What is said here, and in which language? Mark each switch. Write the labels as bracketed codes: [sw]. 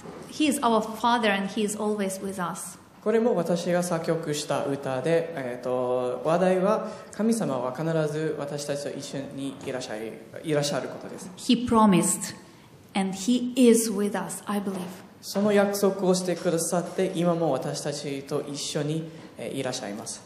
[en] He is our Father and He is always with us. [ja] これも私が作曲した歌で、話題は神様は必ず私たちと一緒にいらっしゃることです。 [en] He promised and He is with us, I believe. [ja] その約束をしてくださって今も私たちと一緒にいらっしゃいます。